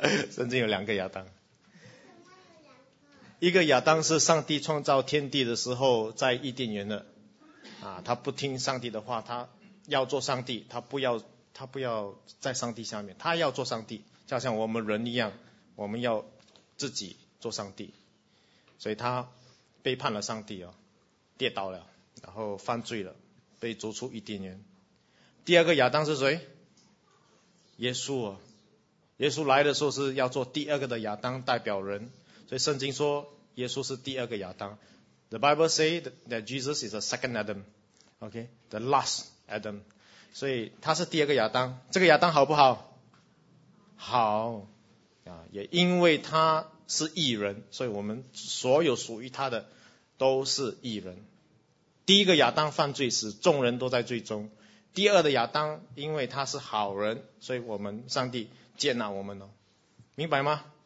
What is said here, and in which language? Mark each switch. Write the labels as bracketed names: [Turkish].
[Chinese] 圣经有两个亚当，一个亚当是上帝创造天地的时候在伊甸园的啊，他不听上帝的话，他要做上帝，他不要在上帝下面，他要做上帝，就像我们人一样，我们要自己做上帝，所以他背叛了上帝哦，跌倒了，然后犯罪了，被逐出伊甸园。第二个亚当是谁？耶稣哦，耶稣来的时候是要做第二个的亚当，代表人，所以圣经说耶稣是第二个亚当。 [English] The Bible say that Jesus is the second Adam, okay, the last Adam. [Chinese] 所以他是第二个亚当，这个亚当好不好？好啊，也因为他是义人，所以我们所有属于他的都是义人。第一个亚当犯罪时，众人都在罪中；第二的亚当因为他是好人，所以我们上帝接纳我们哦，明白吗？